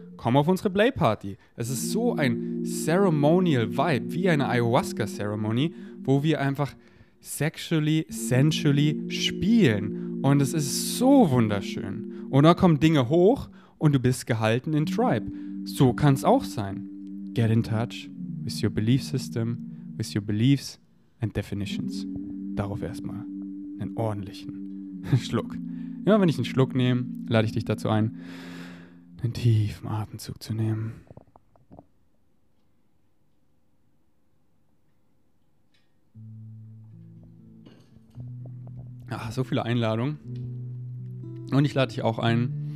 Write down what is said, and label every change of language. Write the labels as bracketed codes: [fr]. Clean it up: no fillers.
[de] Komm auf unsere Play-Party. Es ist so ein ceremonial Vibe, wie eine Ayahuasca-Ceremony, wo wir einfach sexually, sensually spielen. Und es ist so wunderschön. Und da kommen Dinge hoch, und du bist gehalten in Tribe. So kann es auch sein. [en] Get in touch with your belief system, with your beliefs and definitions. [de] Darauf erstmal einen ordentlichen Schluck. Ja, wenn ich einen Schluck nehme, lade ich dich dazu ein, einen tiefen Atemzug zu nehmen. Ach, so viele Einladungen. Und ich lade dich auch ein,